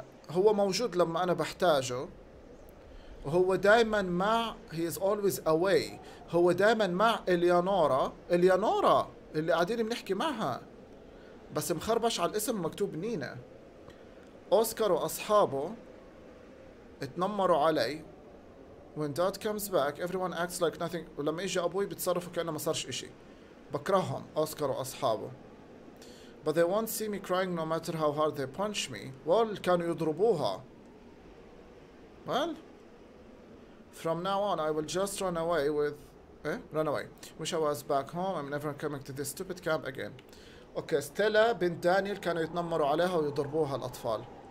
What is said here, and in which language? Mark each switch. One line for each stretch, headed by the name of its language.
Arabic: هو موجود لما أنا بحتاجه، وهو دائما مع
English: he is always away،
Arabic: هو دائما مع إليانورا. إليانورا اللي قاعدين بنحكي معها، بس مخربش على الاسم مكتوب نينا. أوسكار وأصحابه اتنمروا علي.
English: When dad comes back everyone acts like nothing.
Arabic: ولما يجي أبوي بتصرفوا كأنه ما صارش إشي. بكرههم أوسكار وأصحابه.
English: But they won't see me crying no matter how hard they punch me.
Arabic: Well, كانوا يضربوها.
English: Well, from now on I will just run away with... run away. Wish I was back home. I'm never coming to this stupid camp again.
Arabic: Okay, ستيلا بنت دانيال كانوا يتنمروا عليها ويضربوها الأطفال.